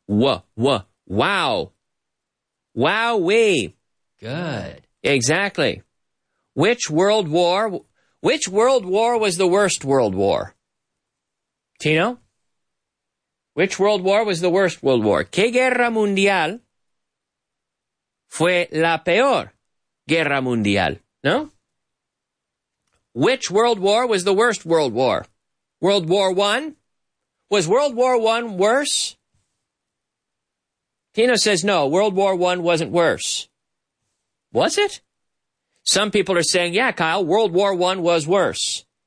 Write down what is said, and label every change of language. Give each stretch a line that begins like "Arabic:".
English: Wow. Wowee. Good. Exactly. Which world war was the worst world war? Tino? Which world war was the worst world war?
Spanish: ¿Qué guerra mundial fue la peor guerra mundial? ¿No?
English: Which world war was the worst world war? World War One? Was World War One worse? Tino says no, World War One wasn't worse. Was it? Some people are saying, yeah, Kyle, World War One was worse.